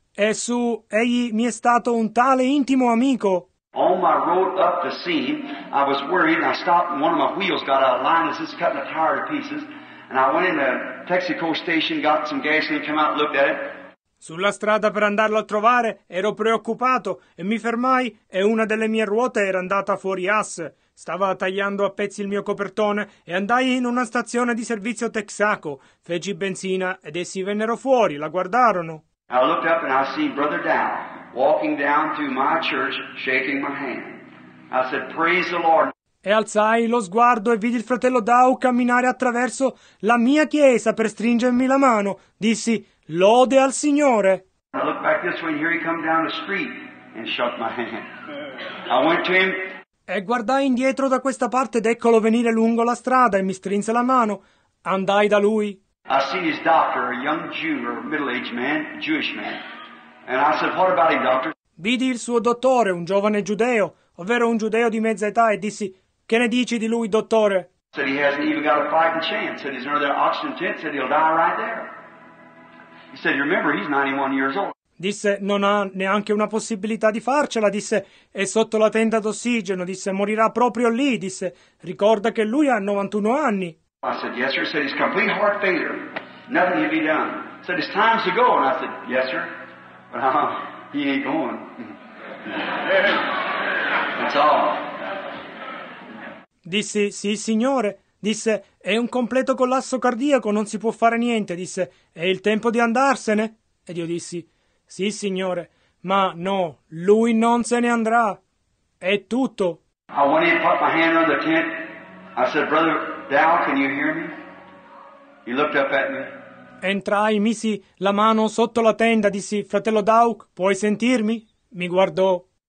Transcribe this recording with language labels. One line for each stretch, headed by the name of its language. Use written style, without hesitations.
Italian: E su, egli mi è stato un tale intimo amico.
English: On my road up the seam, I was worried and I stopped and one of my wheels got out of line and it's cutting the tire to pieces. And I went in the Texaco station, got some gasoline, came out and looked at it.
Italian: Sulla strada per andarlo a trovare ero preoccupato e mi fermai e una delle mie ruote era andata fuori asse. Stava tagliando a pezzi il mio copertone e andai in una stazione di servizio Texaco. Feci benzina ed essi vennero fuori, la guardarono.
English: I looked up and I see Brother Dow walking down through my church, shaking my hand. I said, praise the Lord.
Italian: E alzai lo sguardo e vidi il fratello Dow camminare attraverso la mia chiesa per stringermi la mano. Dissi, lode al Signore.
English: I looked back this way and here he come down the street and shook my hand. I went to him.
Italian: E guardai indietro da questa parte ed eccolo venire lungo la strada e mi strinse la mano. Andai da lui.
English: I seen his doctor, a young Jew, or middle-aged man, Jewish man. And I said, what about him, doctor?
Italian: Vidi il suo dottore, un giovane giudeo, ovvero un giudeo di mezza età, e dissi, che ne dici di lui, dottore?
English: Said he hasn't even got a fighting chance. Said he's under the oxygen tent. Said he'll die right there. He said, remember, he's 91 years old.
Italian: Disse, non ha neanche una possibilità di farcela. Disse, è sotto la tenda d'ossigeno. Disse, morirà proprio lì. Disse, ricorda che lui ha 91 anni.
English: I said, yes, sir. He said, he's complete heart failure. Nothing can be done. He said, it's time to go. And I said, yes, sir. But he ain't going. That's all.
Italian: Disse, sì, signore. Disse, è un completo collasso cardiaco, non si può fare niente. Disse, è il tempo di andarsene. Ed io dissi, sì, signore. Ma no, lui non se ne andrà. È tutto.
English: I went in and put my hand under the tent. I said, brother Dow, can you hear me? He looked up at me.
Italian: Entrai, misi la mano sotto la tenda, dissi, fratello Dauk, puoi sentirmi? Mi guardò.